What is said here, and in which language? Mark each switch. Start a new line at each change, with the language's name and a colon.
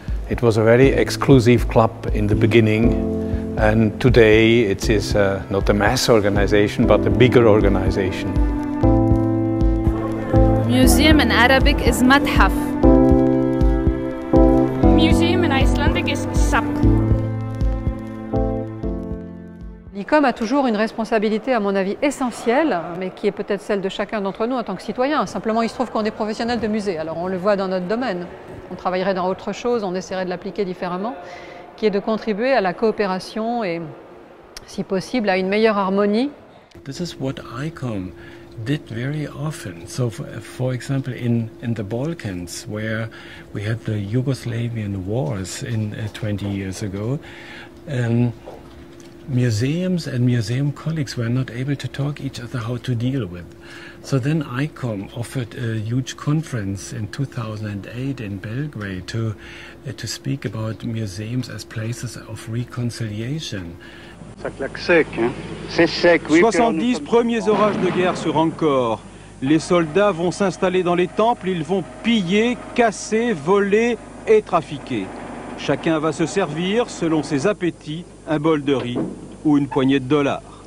English: It was a very exclusive club in the beginning, and today it is not a mass organization, but a bigger organization. Museum in Arabic is Madhaf. Museum in Icelandic is Sapk.
French: L'ICOM a toujours une responsabilité, à mon avis, essentielle, mais qui est peut-être celle de chacun d'entre nous en tant que citoyen. Simplement, il se trouve qu'on est professionnel de musée, alors on le voit dans notre domaine. On travaillerait dans autre chose, on essaierait de l'appliquer différemment, qui est de contribuer à la coopération et, si possible, à une meilleure harmonie.
English: This is what ICOM did very often. So, for example, in the Balkans, where we had the Yugoslavian wars in 20 years ago, museums and museum colleagues were not able to talk each other how to deal with. So then ICOM offered a huge conference in 2008 in Belgrade to speak about museums as places of reconciliation.
French: Ça claque sec, hein? C'est sec, oui. 70 premiers orages de guerre sur Angkor. Les soldats vont s'installer dans les temples, ils vont piller, casser, voler et trafiquer. Chacun va se servir, selon ses appétits, un bol de riz ou une poignée de dollars.